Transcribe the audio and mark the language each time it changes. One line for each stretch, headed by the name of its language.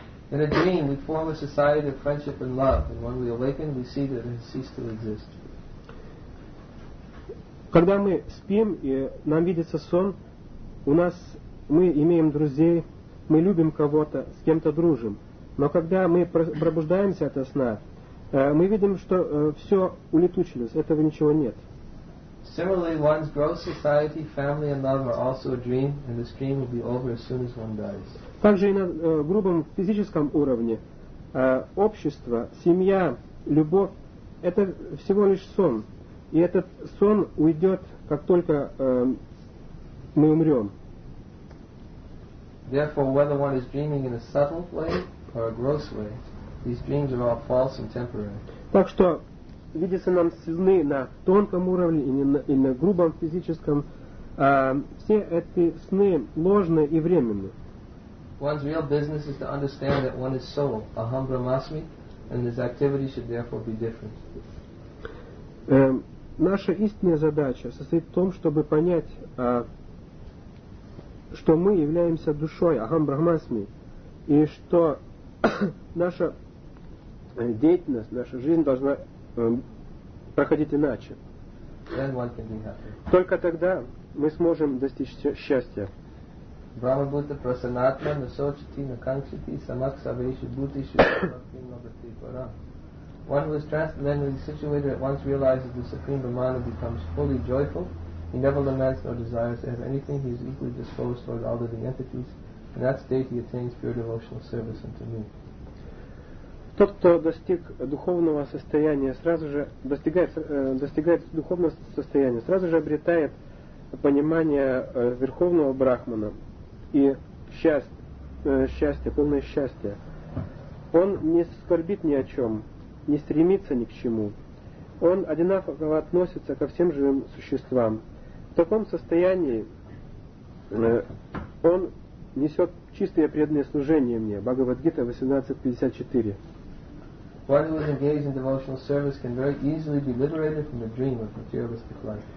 English: In a dream, we form a society of friendship and love, and when we awaken, we see that it has ceased to exist.
Russian: Когда мы спим и нам видится сон, у нас мы имеем друзей, мы любим кого-то, с кем-то дружим. Но когда мы пробуждаемся от сна, мы видим, что все улетучилось, этого ничего нет.
English: Similarly, one's gross society, family, and love are also a dream, and this dream will be over as soon as one dies.
Russian: Также и на грубом физическом уровне общество, семья, любовь — это всего лишь сон, и этот сон уйдет, как только мы умрем.
English: Therefore, whether one is dreaming in a subtle way or a gross way, these dreams are all false and temporary.
Russian: Так что видится нам сны на тонком уровне и на грубом физическом, все эти сны ложные и временные.
English: One's real business is to understand that one is soul,
Sanskrit: aham brahmasmi,
English: and his activity should therefore be different.
Russian: Наша истинная задача состоит в том, чтобы понять, что мы являемся душой,
Sanskrit: aham brahmasmi,
Russian: и что наша деятельность, наша жизнь должна проходить иначе.
English: Then one can be happy.
Russian: Только тогда мы сможем достичь счастья.
Sanskrit: Brahma Bhuta Prasanatma Nasochati Nakanshati Samak Savishu Bhuti Shukti Nabhati Param.
English: One who is transcendentally situated at once realizes the Supreme Brahman and becomes fully joyful. He never laments nor desires to have anything. He is equally disposed towards all living entities. In that state he attains pure devotional service unto me.
Russian: Тот, кто достиг духовного состояния, сразу же достигает духовного состояния, сразу же обретает понимание верховного Брахмана и счастье, полное счастье. Он не скорбит ни о чем, не стремится ни к чему. Он одинаково относится ко всем живым существам. В таком состоянии он несет чистое преданное служение мне. Бхагавад-гита 18.54.
English: One who is engaged in devotional service can very easily be liberated from the dream of materialistic life.